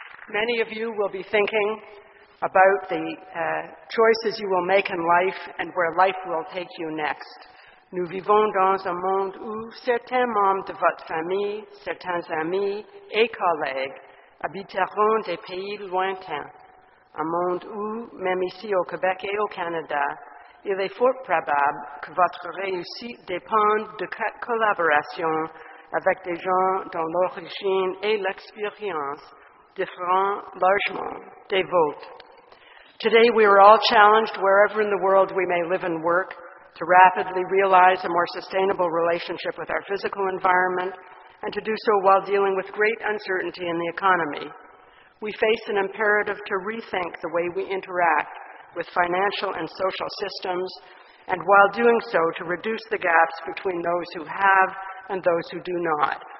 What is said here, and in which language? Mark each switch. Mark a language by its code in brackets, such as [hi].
[en] Many of you will be thinking about the choices you will make in life and where life will take you next. [fr] Nous vivons dans un monde où certains membres de votre famille, certains amis et collègues habiteront des pays lointains. Un monde où, même ici au Québec et au Canada, il est fort probable que votre réussite dépende de collaboration avec des gens dont l'origine et l'expérience différent largement des vôtres. [en] Today we are all challenged, wherever in the world we may live and work, to rapidly realize a more sustainable relationship with our physical environment and to do so while dealing with great uncertainty in the economy. We face an imperative to rethink the way we interact with financial and social systems and while doing so to reduce the gaps between those who have and those who do not.